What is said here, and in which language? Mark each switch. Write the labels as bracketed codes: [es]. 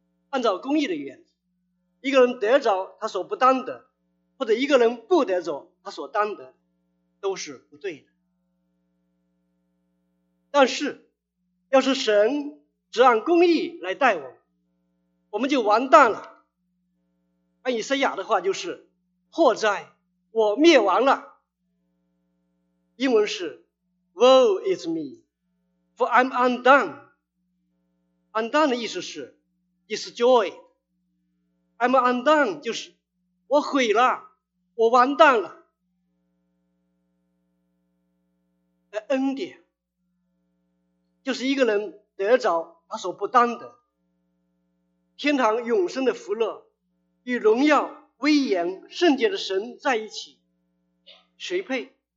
[zh] 按照公义的原则，一个人得着他所不当得，或者一个人不得着他所当得，都是不对的。但是要是神只按公义来待我们，我们就完蛋了。按以赛亚的话就是，祸灾，我灭亡了。英文是 [en] Woe is me, for I'm undone. [zh] Undone 的意思是 destroyed. [en] I'm undone [zh] 就是我毁了，我完蛋了。而恩典就是一个人得着他所不当得，天堂永生的福乐与荣耀威严圣洁的神在一起，谁配？